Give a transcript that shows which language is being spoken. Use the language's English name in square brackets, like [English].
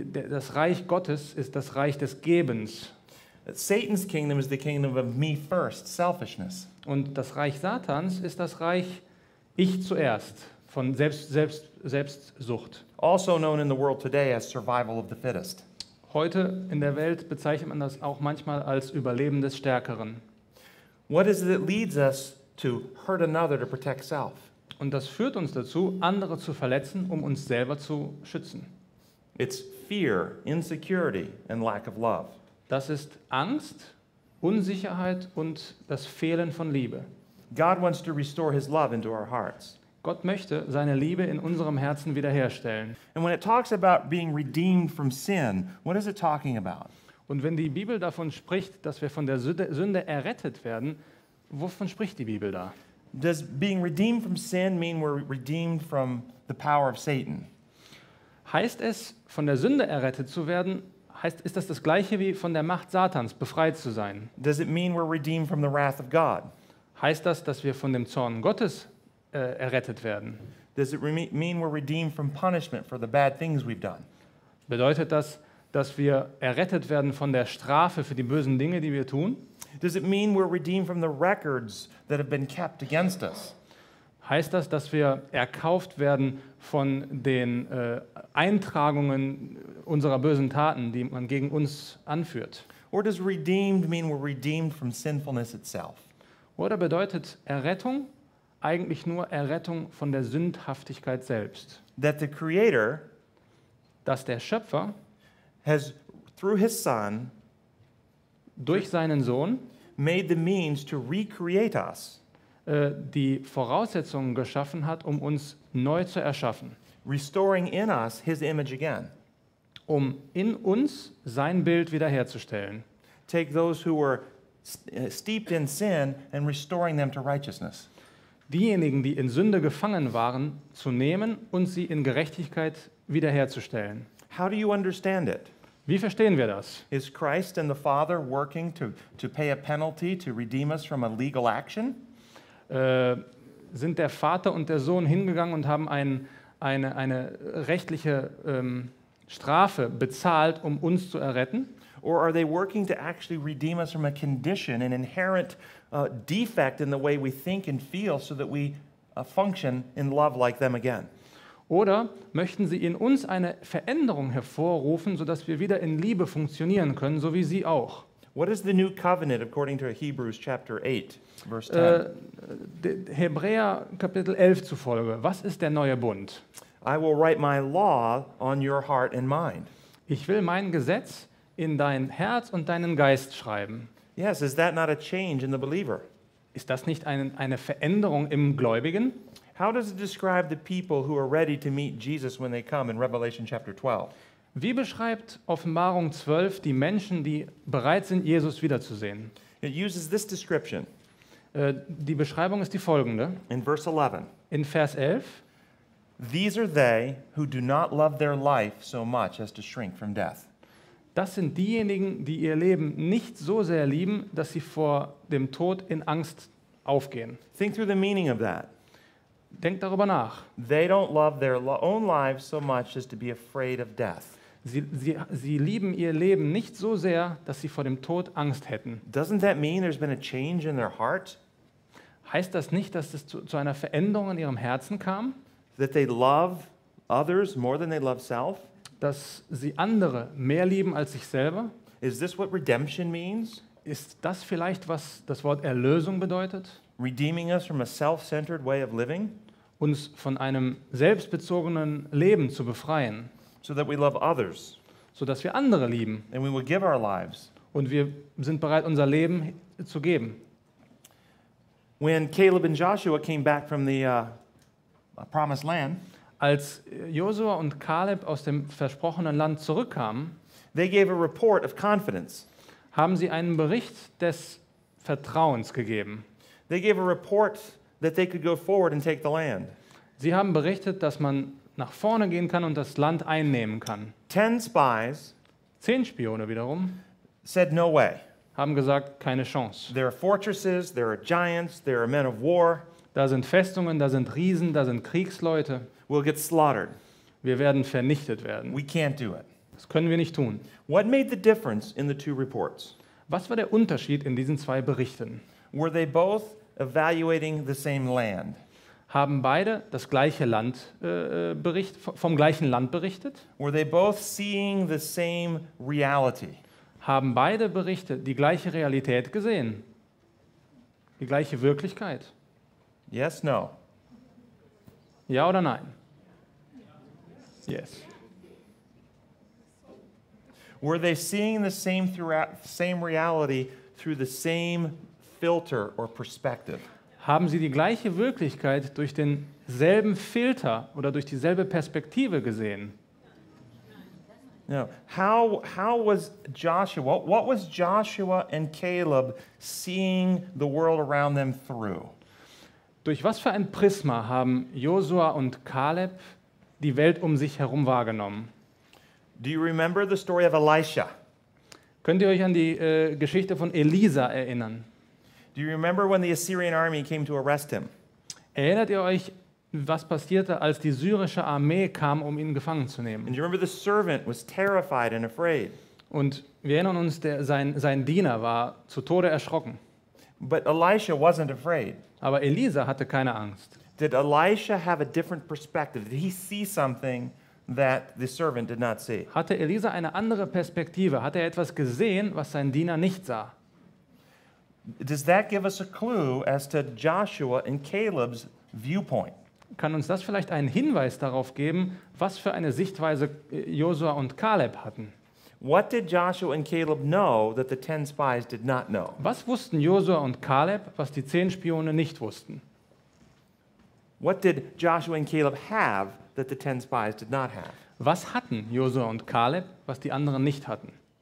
[German] Das Reich Gottes ist das Reich des Gebens. [English] Satan's kingdom is the kingdom of me first, selfishness. [German] Und das Reich Satans ist das Reich ich zuerst, von Selbstsucht. [English] Also known in the world today as survival of the fittest. [German] Heute in der Welt bezeichnet man das auch manchmal als Überleben des Stärkeren. [English] What is it that leads us to hurt another to protect self? [German] Und das führt uns dazu, andere zu verletzen, um uns selber zu schützen. [English] It's fear, insecurity, and lack of love. [German] Das ist Angst, Unsicherheit und das Fehlen von Liebe. [English] God wants to restore his love into our hearts. [German] Gott möchte seine Liebe in unserem Herzen wiederherstellen. [English] And when it talks about being redeemed from sin, what is it talking about? [German] Und wenn die Bibel davon spricht, dass wir von der Sünde errettet werden, wovon spricht die Bibel da? [English] Does being redeemed from sin mean we're redeemed from the power of Satan? [German] Heißt es, von der Sünde errettet zu werden, ist das das Gleiche wie von der Macht Satans befreit zu sein? [English] Does it mean we're redeemed from the wrath of God? [German] Heißt das, dass wir von dem Zorn Gottes errettet werden? [English] Does it mean we're redeemed from punishment for the bad things we've done? [German] Bedeutet das, dass wir errettet werden von der Strafe für die bösen Dinge, die wir tun? [English] Does it mean we're redeemed from the records that have been kept against us? [German] Heißt das, dass wir erkauft werden von den Eintragungen unserer bösen Taten, die man gegen uns anführt? [English] Or does redeemed mean we're redeemed from sinfulness itself? [German] Oder bedeutet Errettung eigentlich nur Errettung von der Sündhaftigkeit selbst? [English] That the Creator, [German] dass der Schöpfer, [English] has through his Son, [German] durch seinen Sohn, [English] made the means to recreate us, [German] die Voraussetzungen geschaffen hat, um uns neu zu erschaffen. [English] Restoring in us his image again. [German] Um in uns sein Bild wiederherzustellen. [English] Take those who were steeped in sin and restoring them to righteousness. [German] Diejenigen, die in Sünde gefangen waren, zu nehmen und sie in Gerechtigkeit wiederherzustellen. [English] How do you understand it? [German] Wie verstehen wir das? [English] Is Christ and the Father working to pay a penalty to redeem us from a legal action? [German] Sind der Vater und der Sohn hingegangen und haben eine rechtliche Strafe bezahlt, um uns zu erretten? [English] Or are they working to actually redeem us from a condition, an inherent defect in the way we think and feel, so that we function in love like them again? [German] Oder möchten sie in uns eine Veränderung hervorrufen, sodass wir wieder in Liebe funktionieren können, so wie sie auch? [English] What is the new covenant according to Hebrews chapter 8, verse 10? [German] Hebräer Kapitel 11 zufolge, was ist der neue Bund? [English] I will write my law on your heart and mind. [German] Ich will mein Gesetz in dein Herz und deinen Geist schreiben. [English] Yes, is that not a change in the believer? [German] Ist das nicht eine Veränderung im Gläubigen? [English] How does it describe the people who are ready to meet Jesus when they come in Revelation chapter 12? [German] Wie beschreibt Offenbarung 12 die Menschen, die bereit sind, Jesus wiederzusehen? [English] It uses this description. [German] Die Beschreibung ist die folgende. [English] In verse 11. [German] In Vers 11. [English] These are they who do not love their life so much as to shrink from death. [German] Das sind diejenigen, die ihr Leben nicht so sehr lieben, dass sie vor dem Tod in Angst aufgehen. [English] Think through the meaning of that. [German] Denk darüber nach. [English] They don't love their own lives so much as to be afraid of death. [German] Sie lieben ihr Leben nicht so sehr, dass sie vor dem Tod Angst hätten. [English] Doesn't that mean there's been a change in their heart? [German] Heißt das nicht, dass es zu einer Veränderung in ihrem Herzen kam? [English] That they love others more than they love self? [German] Dass sie andere mehr lieben als sich selber? [English] Is this what redemption means? [German] Ist das vielleicht, was das Wort Erlösung bedeutet? [English] Redeeming us from a self-centered way of living? [German] Uns von einem selbstbezogenen Leben zu befreien. [English] So that we love others. [German] So dass wir andere lieben. [English] And we will give our lives. [German] Und wir sind bereit, unser Leben zu geben. [English] When Caleb and Joshua came back from the promised land, [German] als Josua und Caleb aus dem versprochenen Land zurückkamen, [English] they gave a report of confidence. [German] Haben sie einen Bericht des Vertrauens gegeben. [English] They gave a report that they could go forward and take the land. [German] Sie haben berichtet, dass man nach vorne gehen kann und das Land einnehmen kann. [English] 10 spies, [German] 10 Spione wiederum, [English] said no way. [German] Haben gesagt, keine Chance. [English] There are fortresses, there are giants, there are men of war. [German] Da sind Festungen, da sind Riesen, da sind Kriegsleute. [English] We'll get slaughtered. [German] Wir werden vernichtet werden. [English] We can't do it. [German] Das können wir nicht tun. [English] What made the difference in the two reports? [German] Was war der Unterschied in diesen zwei Berichten? [English] Were they both evaluating the same land? [German] Haben beide das gleiche Land vom gleichen Land berichtet? [English] Were they both seeing the same reality? [German] Haben beide Berichte die gleiche Realität gesehen? Die gleiche Wirklichkeit? [English] Yes, no. [German] Ja oder nein? [English] Yes. Were they seeing the same reality through the same filter or perspective? [German] Haben sie die gleiche Wirklichkeit durch denselben Filter oder durch dieselbe Perspektive gesehen? [English] No. How was Joshua? What was Joshua and Caleb seeing the world around them through? [German] Durch was für ein Prisma haben Josua und Caleb die Welt um sich herum wahrgenommen? [English] Do you remember the story of Elisha? [German] Könnt ihr euch an die Geschichte von Elisa erinnern? [English] Do you remember when the Assyrian army came to arrest him? [German] Erinnert ihr euch, was passierte, als die syrische Armee kam, um ihn gefangen zu nehmen? [English] And you remember the servant was terrified and afraid. [German] Und wir erinnern uns, sein Diener war zu Tode erschrocken. [English] But Elisha wasn't afraid. [German] Aber Elisa hatte keine Angst. [English] Did Elisha have a different perspective? Did he see something that the servant did not see? [German] Hatte Elisa eine andere Perspektive? Hatte er etwas gesehen, was sein Diener nicht sah? [English] Does that give us a clue as to Joshua and Caleb's viewpoint? [German] Kann uns das vielleicht einen Hinweis darauf geben, was für eine Sichtweise Josua und Caleb hatten? [English] What did Joshua and Caleb know that the 10 spies did not know? [German] Was wussten Josua und Caleb, was die 10 Spione nicht wussten? [English] What did Joshua and Caleb have that the 10 spies did not have? [German] Was hatten Josua und Caleb, was die anderen nicht hatten?